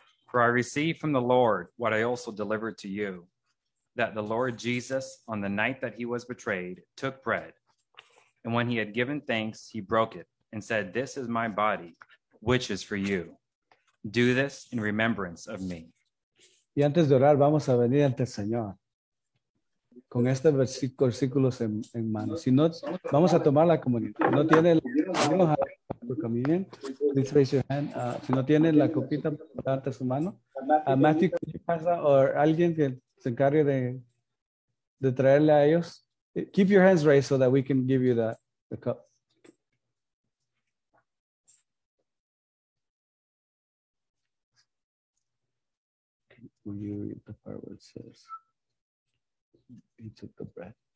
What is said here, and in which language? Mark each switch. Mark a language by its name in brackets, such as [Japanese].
[English] For I received from the Lord what I also delivered to you, that the Lord Jesus, on the night that he was betrayed, took bread. And when he had given thanks, he broke it and said, "This is my body, which is for you. Do this in remembrance of me." [Spanish] Y antes de orar, vamos a venir ante el Señor con este versículo en mano. Si no, vamos a tomar la comunión. No tiene la comunión, [English] please raise your hand. [Spanish] Si no tiene la copita, levante su mano. Matthew, ¿qué pasa? O alguien que se encargue de traerle a ellos. [English] Keep your hands raised so that we can give you the cup. Will you read the part where it says he took the bread?